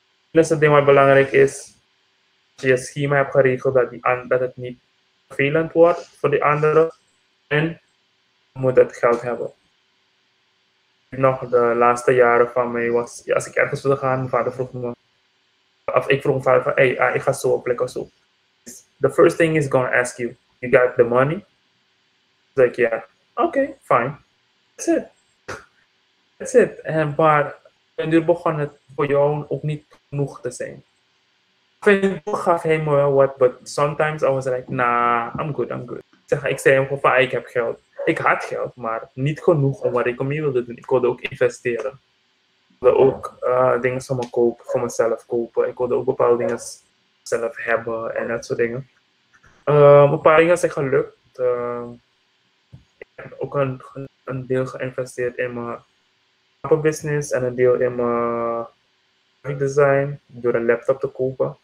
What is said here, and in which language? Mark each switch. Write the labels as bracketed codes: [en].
[nl] Dus het ding wat belangrijk is, dat je je schema hebt geregeld dat het niet vervelend wordt voor die anderen en je moet het geld hebben. Nog de laatste jaren van mij was, als ik ergens wilde gaan, mijn vader vroeg me, of ik vroeg mijn vader van, hey, ik ga zo op plek of zo. [en] The first thing is gonna ask you, you got the money? Like, yeah, okay, fine. That's it. [nl] En maar, en nu begon het voor jou ook niet genoeg te zijn. Toen gaf hij me wel wat, [en] but sometimes I was like, nah, I'm good, I'm good. [nl] Ik zei hem gewoon van, ik heb geld. Ik had geld, maar niet genoeg om wat ik ermee wilde doen. Ik wilde ook investeren. Ik wilde ook dingen van me kopen, voor mezelf kopen. Ik wilde ook bepaalde dingen zelf hebben en dat soort dingen. Een paar dingen zijn gelukt. Ik heb ook een deel geïnvesteerd in mijn business en een deel in mijn design door een laptop te kopen.